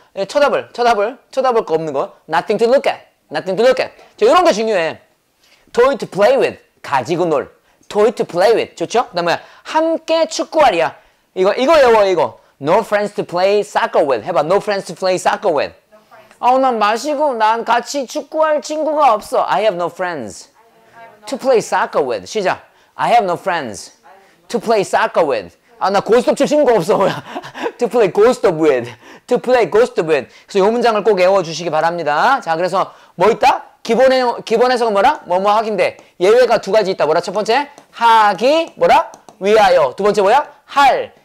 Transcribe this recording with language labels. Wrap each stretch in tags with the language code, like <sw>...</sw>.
<ko>네, 쳐다볼 거 없는 거.</ko> <en>Nothing to look at.</en> <ko>Nothing to look at. 자, 요런 게 중요해.</ko> <en>Toy to play with.</en> <ko>가지고 놀.</ko> <en>Toy to play with.</en> <ko>좋죠? 그 다음에 함께 축구할이야. 이거 외워 이거.</ko> <en>No friends to play soccer with.</en> <ko>해봐.</ko> <en>No friends to play soccer with. No friends.</en> <ko>난 마시고 난 같이 축구할 친구가 없어.</ko> <en>I have no friends to play soccer with.</en> <ko>시작.</ko> <en>I have no friends to play soccer with.</en> <ko>나 고스톱 칠 친구가 없어.</ko> <en>To play ghostop with. To play ghostop with.</en> <ko>그래서 요 문장을 꼭 외워주시기 바랍니다. 자, 그래서 뭐 있다? 기본 해석은 뭐라? 뭐뭐 하긴데. 예외가 두 가지 있다. 뭐라? 첫 번째? 하기, 뭐라? 위하여. 두 번째 뭐야? 할.</ko>